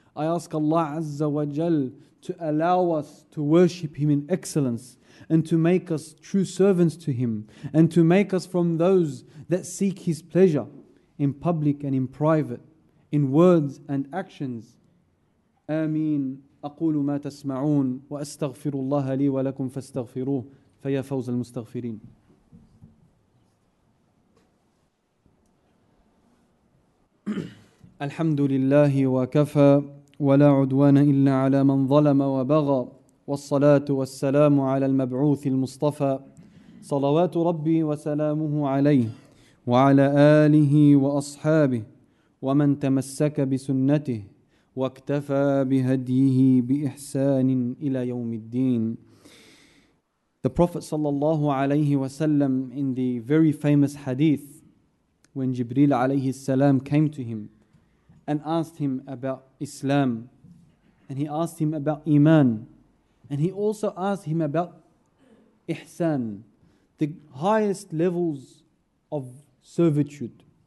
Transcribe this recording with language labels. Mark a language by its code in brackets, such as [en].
[en] I ask Allah Azza wa Jal to allow us to worship Him in excellence and to make us true servants to Him and to make us from those that seek His pleasure in public and in private, in words and actions. Ameen. [ar] أقول ما تسمعون وأستغفر الله لي ولكم فاستغفروه فيا فوز المستغفرين. الحمد لله وكفى ولا عدوان إلا على من ظلم وبغى والصلاة والسلام على المبعوث المصطفى صلوات ربي وسلامه عليه وعلى آله وأصحابه ومن تمسك بسنته واكتفى بهديه بإحسان إلى يوم الدين. [en] The Prophet [ar] صلى الله عليه وسلم, [en] in the very famous hadith, when Jibril [ar] عليه السلام [en] came to him and asked him about Islam, and he asked him about Iman, and he also asked him about Ihsan, the highest levels of servitude.